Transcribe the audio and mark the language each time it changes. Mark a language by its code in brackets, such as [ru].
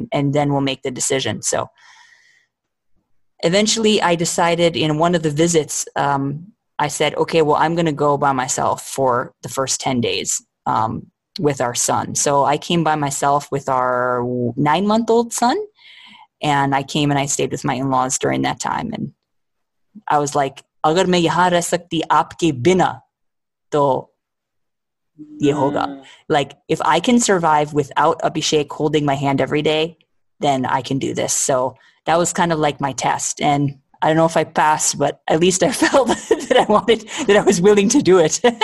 [en] And then we'll make the decision. So eventually I decided in one of the visits, I said, okay, well, I'm going to go by myself for the first 10 days with our son. So I came by myself with our 9-month-old son, and I came and I stayed with my in-laws during that time. And I was like, [hi] अगर मैं यहाँ रह सकती आपके बिना, तो ये होगा। [en] Like, if I can survive without Abhishek holding my hand every day, then I can do this. So that was kind of like my test. And I don't know if I passed, but at least I felt that I was willing to do it.